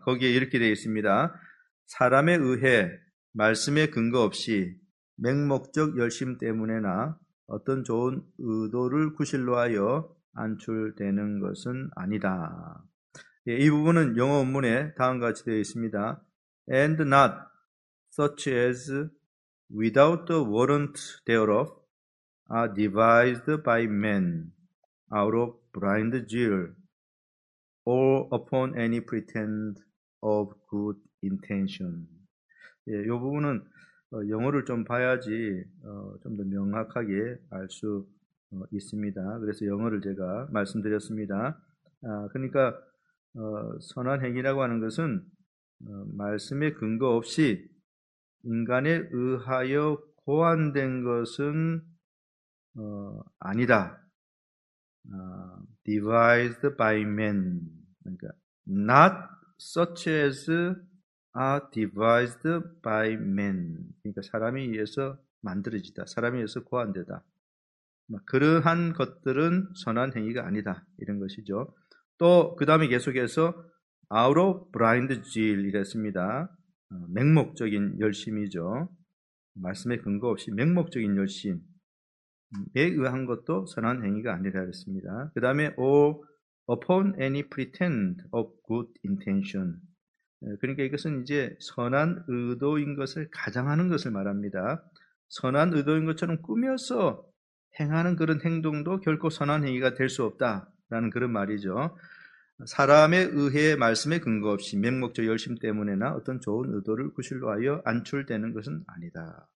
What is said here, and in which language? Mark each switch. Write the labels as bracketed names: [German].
[Korean] 거기에 이렇게 되어 있습니다. 사람에 의해 말씀에 근거 없이 맹목적 열심 때문에나 어떤 좋은 의도를 구실로 하여 안출되는 것은 아니다. 예, 이 부분은 영어 원문에 다음과 같이 되어 있습니다. [English] And not such as without the warrant thereof are devised by men out of blind zeal or upon any pretend of good intention. [Korean] 예, 이 부분은 영어를 좀 봐야지 좀 더 명확하게 알 수 있습니다. 그래서 영어를 제가 말씀드렸습니다. 그러니까 선한 행위라고 하는 것은 말씀에 근거 없이 인간에 의하여 고안된 것은 아니다. [English] Devised by men. [Korean] 그러니까 [English] not such as are devised by men. [Korean] 그러니까 사람이 위해서 만들어지다. 사람이 위해서 고안되다. 그러한 것들은 선한 행위가 아니다. 이런 것이죠. 또 그 다음에 계속해서 [English] out of blind zeal [Korean] 이랬습니다. 맹목적인 열심이죠. 말씀에 근거 없이 맹목적인 열심에 의한 것도 선한 행위가 아니라 그랬습니다. 그 다음에 [English] or upon any pretend of good intention. [Korean] 그러니까 이것은 이제 선한 의도인 것을 가장하는 것을 말합니다. 선한 의도인 것처럼 꾸며서 행하는 그런 행동도 결코 선한 행위가 될 수 없다라는 그런 말이죠. 사람에 의해 말씀에 근거 없이 맹목적 열심 때문에나 어떤 좋은 의도를 구실로 하여 안출되는 것은 아니다.